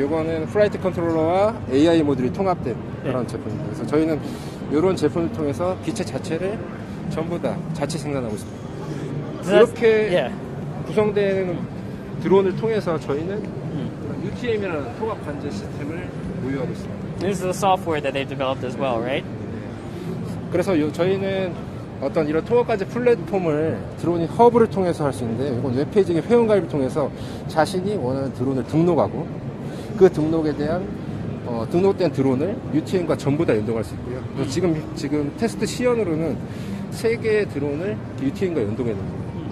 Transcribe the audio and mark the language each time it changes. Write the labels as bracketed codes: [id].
[ko] 요거는 플라이트 컨트롤러와 AI 모듈이 통합된 네. 그런 제품입니다. 그래서 저희는 요런 제품을 통해서 기체 자체를 전부 다 자체 생산하고 있습니다. 이렇게 구성되는 드론을 통해서 저희는 UTM이라는 통합 관제 시스템을 [en] This is the software that they've developed as well, right? [ko] 그래서 저희는 어떤 이런 통합까지 플랫폼을 드론이 허브를 통해서 할 수 있는데 이건 웹페이지의 회원가입을 통해서 자신이 원하는 드론을 등록하고 그 등록에 대한 등록된 드론을 UTM과 전부 다 연동할 수 있고요. 그래서 지금 테스트 시연으로는 세 개의 드론을 UTM과 연동했는 거예요.